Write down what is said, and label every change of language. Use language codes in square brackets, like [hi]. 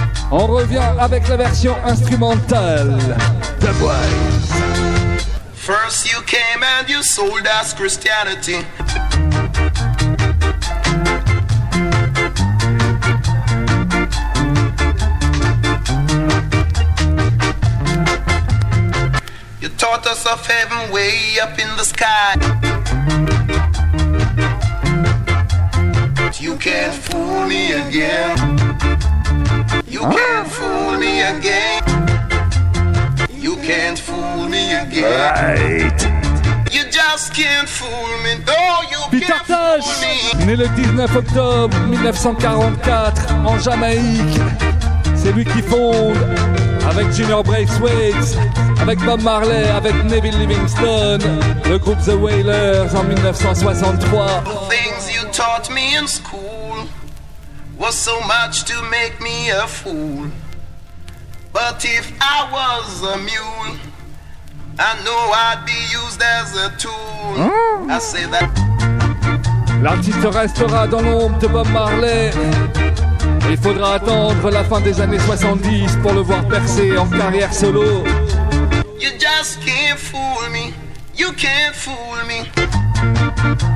[fr] On revient avec la version instrumentale. [en] The Boys. First you came and you sold us Christianity. You taught us of heaven way up in the sky. But you can't fool me again. You can't fool me again. You can't fool me again. Right. You just can't fool me. Oh, you Peter can't Tosh, fool me. [fr] Né le 19 octobre 1944 en Jamaïque. C'est lui qui fonde avec Junior Braithwaite, avec Bob Marley, avec Neville Livingston, le groupe The Wailers en 1963. [en] The things you taught me in school was so much to make me a fool. But if I was a mule, I know I'd be used as a tool. Oh. I say that. [fr] L'artiste restera dans l'ombre de Bob Marley. Il faudra attendre la fin des années 70 pour le voir percer en carrière solo. [en] You just can't fool me. You can't fool me.